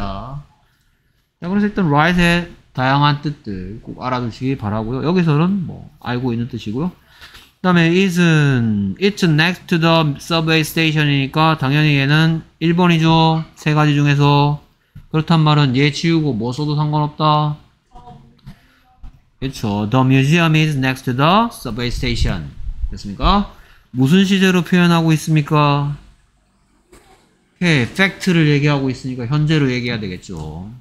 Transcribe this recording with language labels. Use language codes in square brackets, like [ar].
[ko] 자, 그래서 일단 right의 다양한 뜻들 꼭 알아두시기 바라고요. 여기서는 뭐 알고 있는 뜻이고요. 그 다음에 [en] it's next to the subway station [ko] 이니까 당연히 얘는 1번이죠. 세 가지 중에서. 그렇단 말은 얘 치우고 뭐 써도 상관없다. 그쵸. [en] The museum is next to the subway station. [ko] 됐습니까? 무슨 시제로 표현하고 있습니까? 오케이. fact를 얘기하고 있으니까 현재로 얘기해야 되겠죠.